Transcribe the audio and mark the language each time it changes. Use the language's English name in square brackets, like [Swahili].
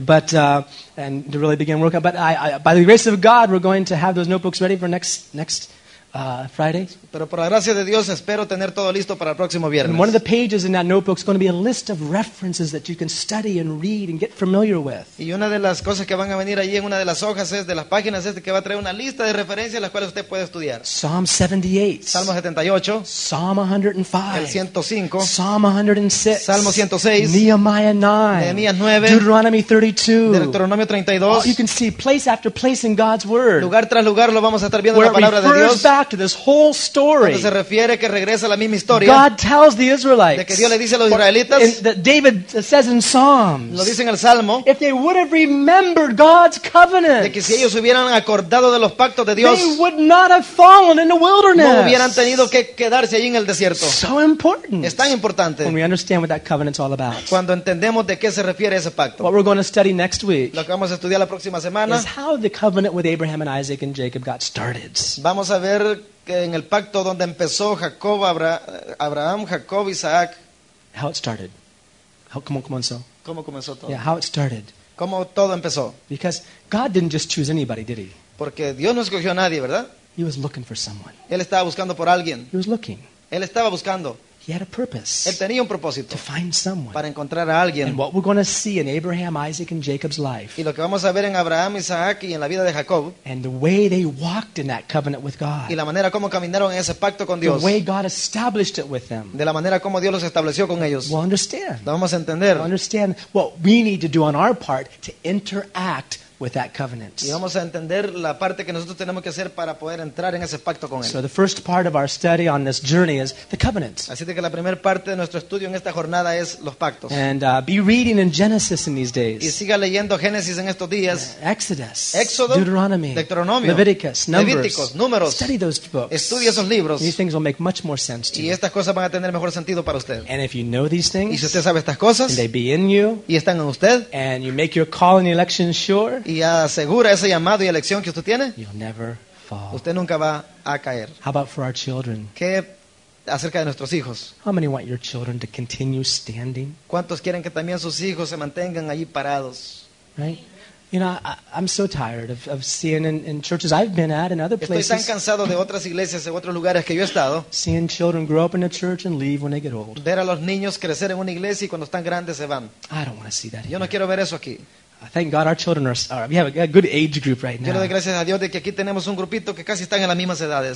[English] But and to really begin work out, but I, by the grace of God, we're going to have those notebooks ready for next Friday. [Spanish] Pero por la gracia de Dios, espero tener todo listo para el próximo viernes. [English] And one of the pages in that notebook is going to be a list of references that you can study and read and get familiar with. [Spanish] Y una de las cosas que van a venir allí en una de las hojas es de las páginas es que va a traer una lista de referencias las cuales usted puede estudiar. [English] Psalm 78. [Spanish] Salmo 78. [English] Psalm 105. [Spanish] El 105. [English] Psalm 106. [Spanish] Salmo 106. [English] Nehemiah 9. [Spanish] Nehemiah 9. [English] Deuteronomy 32. [Spanish] Deuteronomio 32. [English] You can see place after place in God's word. [Spanish] Lugar tras lugar lo vamos a estar viendo en la palabra de Dios. [English] Back to this whole story. [Spanish] Se refiere que regresa la misma historia. [English] God tells the Israelites. [Spanish] De que Dios le dice a los israelitas. [English] David says in Psalms. [Spanish] Lo dice en el Salmo. [English] If they would have remembered God's covenant. [Spanish] De que si ellos hubieran acordado de los pactos de Dios. [English] They would not have fallen in the wilderness. [Spanish] No hubieran tenido que quedarse allí en el desierto. [English] So important. [Spanish] Es tan importante. [English] When we understand what that covenant's all about. [Spanish] Cuando entendemos de qué se refiere ese pacto. [English] What we're going to study next week. [Spanish] Lo que vamos a estudiar la próxima semana. [English] Is how the covenant with Abraham and Isaac and Jacob got started. [Spanish] Vamos a ver que en el pacto donde empezó Jacob, Abraham, Jacob, Isaac. [English] How it started. How, come on, so. [Spanish] ¿Cómo comenzó todo? [English] Yeah, how it started. [Spanish] ¿Cómo todo empezó? [English] Because God didn't just choose anybody, did he? [Spanish] Porque Dios no escogió a nadie, ¿verdad? [English] He was looking for someone. [Spanish] Él estaba buscando por alguien. [English] He was looking. [Spanish] Él estaba buscando. [English] He had a purpose. [Spanish] Él tenía un propósito. [English] To find someone. [Spanish] Para encontrar a alguien. [English] And what we're going to see in Abraham, Isaac, and Jacob's life. [Spanish] Y lo que vamos a ver en Abraham, Isaac y en la vida de Jacob. [English] And the way they walked in that covenant with God. [Spanish] Y la manera como caminaron en ese pacto con Dios. [English] The way God established it with them. [Spanish] De la manera como Dios los estableció con ellos. [English] We'll understand. [Spanish] Lo vamos a entender. [English] We'll understand what we need to do on our part to interact with that covenant. [Spanish] Y vamos a entender la parte que nosotros tenemos que hacer para poder entrar en ese pacto con él. [English] So the first part of our study on this journey is the covenant. [Spanish] Así que la primera parte de nuestro estudio en esta jornada es los pactos. [English] And be reading in Genesis in these days. [Spanish] Y siga leyendo Génesis en estos días. [English] Exodus. [Spanish] Éxodo. [English] Deuteronomy. [Spanish] Deuteronomio. [English] Leviticus. [Spanish] Levíticos. Números. [English] Study those books. [Spanish] Estudia esos libros. [English] These things will make much more sense to you. [Spanish] Y estas cosas van a tener mejor sentido para usted. [English] And if you know these things. [Spanish] Y si usted sabe estas cosas. [English] And they be in you. [Spanish] Y están en usted. [English] And you make your call and election sure. [Spanish] Y asegura ese llamado y elección que usted tiene. [English] You'll never fall. [Spanish] Usted nunca va a caer. [English] How about for our children? [Spanish] ¿Qué acerca de nuestros hijos? [English] How many want your children to continue standing? [Spanish] ¿Cuántos quieren que también sus hijos se mantengan allí parados? [English] Right? You know, I'm so tired of seeing in churches I've been at and other places. [Spanish] Estoy tan cansado de otras iglesias, de otros lugares que yo he estado. [English] Seeing children grow up in a church and leave when they get old. [Spanish] Ver a los niños crecer en una iglesia y cuando están grandes se van. [English] I don't want to see that. [Spanish] Yo no quiero ver eso aquí. [English] Thank God our children are we have a good age group right now. [Spanish] Yo le doy gracias a Dios de que aquí tenemos un grupito que casi están en las mismas edades.